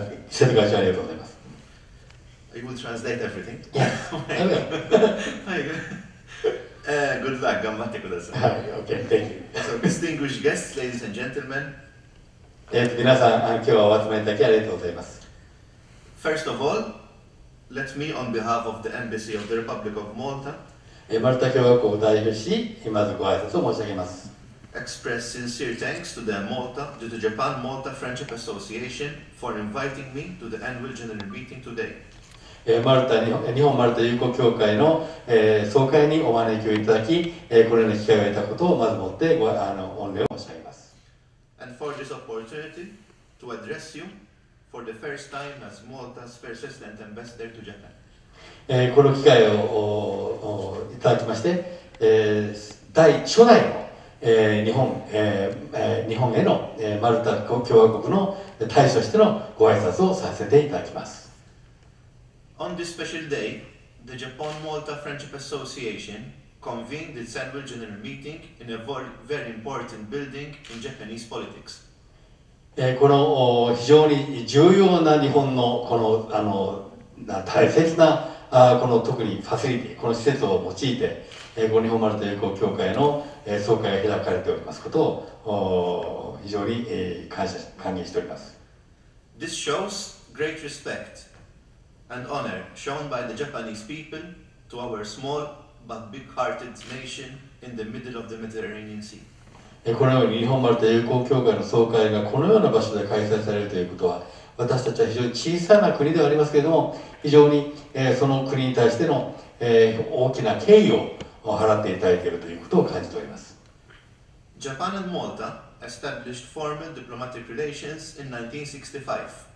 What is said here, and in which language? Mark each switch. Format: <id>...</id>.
<ja>瀬戸会長、ありがとうございます。</ja> <en>I will translate everything. Yeah. good luck.</en> <ja>頑張ってください。</ja> <en>Okay. Thank you. So, distinguished guests, ladies and gentlemen.</en> <ja>皆さん、今日はお集まりいただきありがとうございます。</ja> <en>First of all, let me, on behalf of the Embassy of the Republic of Malta,</en> <ja>マルタ共和国を代表し、まずご挨拶を申し上げます。</ja> <en>Express sincere thanks to the Malta, to the Japan Malta Friendship Association for inviting me to the annual general meeting today.</en> <ja>マルタ日本マルタ友好協会の、総会にお招きをいただき、これらの機会を得たことをまずもってご御礼を申し上げます。</ja> <en>And for this opportunity to address you for the first time as Malta's persistent ambassador to Japan.</en> <ja>この機会をいただきまして、第初代の、日本への、マルタ共和国の大使としてのご挨拶をさせていただきます。</ja> <en>On this special day, the Japan-Malta Friendship Association convened its annual general meeting in a very important building in Japanese politics.</en> <ja>この非常に重要な日本のこの大切なこの特にファシリティ、この施設を用いて、ご日本丸太友好協会の総会が開かれておりますことを非常に歓迎しております。</ja> <en>This shows great respect and honor shown by the Japanese people to our small but big-hearted nation in the middle of the Mediterranean Sea.</en> <ja>このように日本丸太友好協会の総会がこのような場所で開催されるということは、私たちは非常に小さな国ではありますけれども、非常に、その国に対しての、大きな敬意を払っていただいているということを感じております。</ja> <en>Japan and Malta established formal diplomatic relations in 1965.</en>